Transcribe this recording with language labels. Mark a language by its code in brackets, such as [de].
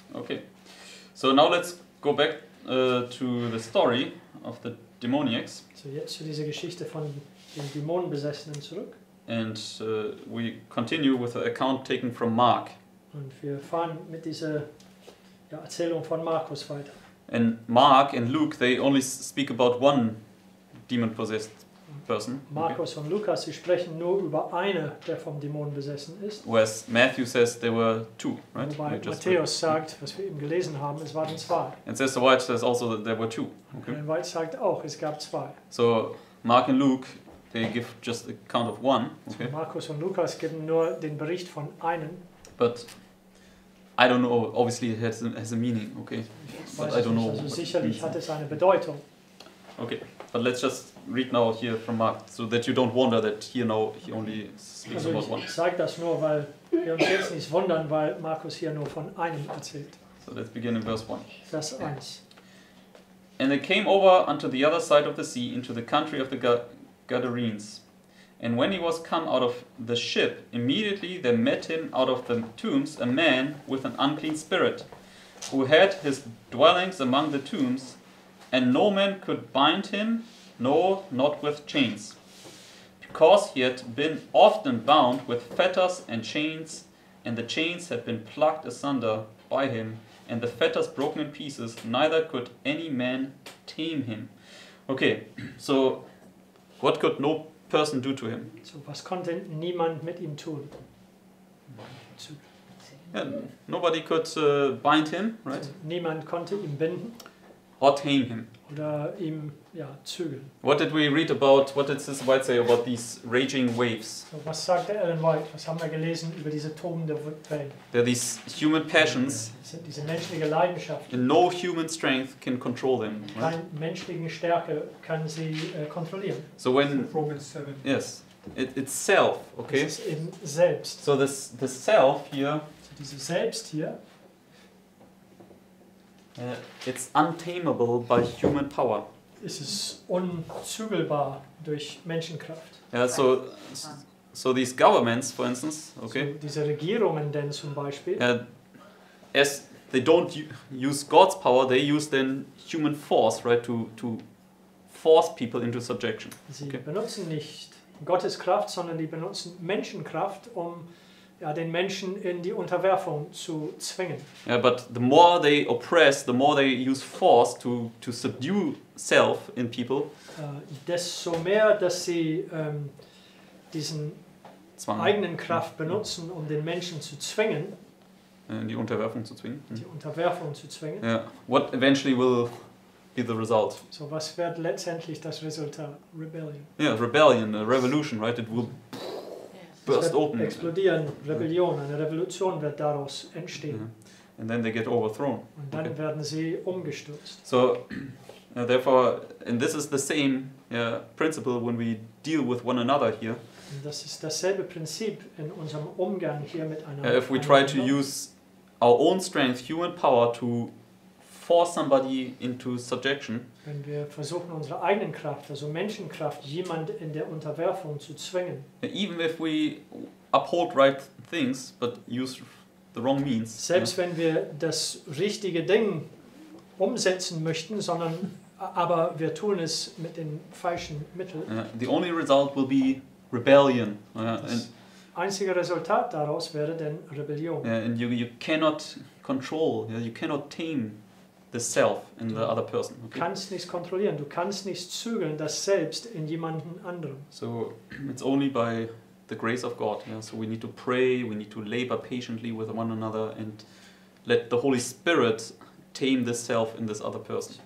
[en] Okay, so now let's go back to the story of the demoniacs. [de] So jetzt zu dieser Geschichte von den Dämonenbesessenen zurück. [en] And we continue with the account taken from Mark. [de] Und wir fahren mit dieser Erzählung von Markus weiter. [en] And Mark and Luke, they only speak about one demon-possessed person. [de] Markus, okay, und Lukas, sie sprechen nur über eine, der vom Dämon besessen ist. [en] Whereas Matthew says there were two, right? [de] Wobei Matthäus sagt, was wir eben gelesen haben, es waren zwei. [en] And Sester White says also that there were two. Okay. [de] Und White sagt auch, es gab zwei. [en] So Mark and Luke, they give just a count of one. Okay. [de] So Markus und Lukas geben nur den Bericht von einem. [en] But I don't know, obviously it has a meaning, okay? But I don't know. [de] Also sicherlich hat es eine Bedeutung. [en] Okay, but let's just read now here from Mark, so that you don't wonder that here now he only speaks [de] also [en] about one. [de] Ich sage das nur, weil wir uns jetzt nicht wundern, weil Markus hier nur von einem erzählt. [en] So let's begin in verse 1. [de] Vers 1. [en] And they came over unto the other side of the sea, into the country of the Gadarenes. And when he was come out of the ship, immediately there met him out of the tombs a man with an unclean spirit, who had his dwellings among the tombs, and no man could bind him, nor not with chains, because he had been often bound with fetters and chains, and the chains had been plucked asunder by him, and the fetters broken in pieces, neither could any man tame him. Okay, so what could no person do to him? [de] So was konnte niemand mit ihm tun? [en] Yeah, nobody could bind him, right? [de] So niemand konnte ihn binden. [en] Or tame him. [de] Oder ihm, ja, zügeln. [en] What did we read about, what did Sister White say about these raging waves? [de] So was sagte Ellen White? Was haben wir gelesen über diese tobende Wellen? [en] There are these human passions. [de] Das sind diese menschliche Leidenschaften. [en] And no human strength can control them. [de] Keine, [en] right? [de] Menschliche Stärke kann sie kontrollieren. [en] So when... Romans 7. Yes. It's self, okay? [de] Es ist eben selbst. [en] So this self here... [de] So diese Selbst hier. [en] It's untamable by human power. [de] Es ist unzügelbar durch Menschenkraft. [en] Yeah, so these governments, for instance, okay. So [de] diese Regierungen denn zum Beispiel. [en] As they don't use God's power, they use then human force, right, to force people into subjection. [de] Sie benutzen nicht Gottes Kraft, sondern die benutzen Menschenkraft, um ja, den Menschen in die Unterwerfung zu zwingen. [en] Yeah, but the more they oppress, the more they use force to subdue self in people. [de] Desto mehr, dass sie diesen Zwang. Eigenen Kraft benutzen, um den Menschen zu zwingen. In die Unterwerfung zu zwingen. Die Unterwerfung zu zwingen. [en] Yeah. What eventually will be the result? [de] So was wird letztendlich das Resultat? Rebellion. [en] Yeah, rebellion, a revolution, right? It will burst open. [de] Explodieren, Rebellion, eine Revolution wird daraus entstehen. [en] Yeah. And then they get overthrown. [de] Und dann werden sie umgestürzt. [en] So, therefore, and this is the same principle when we deal with one another here. [de] Und das ist dasselbe Prinzip in unserem Umgang hier mit einer. [en] If we try to use our own strength, human power, to force somebody into subjection. [de] Wenn wir versuchen unsere eigenen Kraft, also Menschenkraft, jemand in der Unterwerfung zu zwingen. [en] Even if we uphold right things, but use the wrong means. [de] Selbst wenn wir das richtige Ding umsetzen möchten, sondern aber wir tun es mit den falschen Mitteln. [en] The only result will be rebellion. [de] Das einzige Resultat daraus wäre dann Rebellion. [en] And you cannot control. You cannot tame. The self in the other person. [de] Du kannst nicht kontrollieren, du kannst nicht zügeln das Selbst in jemanden anderem. [en] So it's only by the grace of God. Yeah? So we need to pray, we need to labor patiently with one another and let the Holy Spirit tame the self in this other person.